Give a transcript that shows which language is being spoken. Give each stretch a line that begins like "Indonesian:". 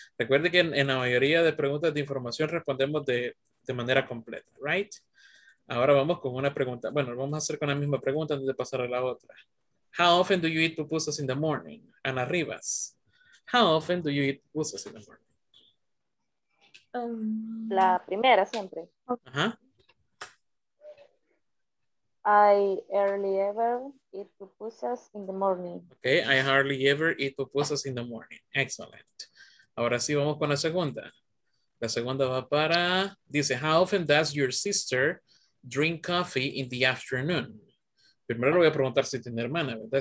Spanish: Recuerde que en la mayoría de preguntas de información respondemos de manera completa, right? Ahora vamos con una pregunta. Bueno, vamos a hacer con la misma pregunta antes de pasar a la otra.
English: How often do you eat pupusas in the morning? Ana Rivas. How often do you eat pupusas in the morning?
Spanish: La primera siempre.
English: I hardly ever eat pupusas in the morning. Okay, I hardly ever eat pupusas in the morning. Excellent.
Spanish: Ahora sí, vamos con la segunda. La segunda va para...
English: Dice, how often does your sister drink coffee in the afternoon?
Spanish: Primero le voy a preguntar si tiene hermana, ¿verdad?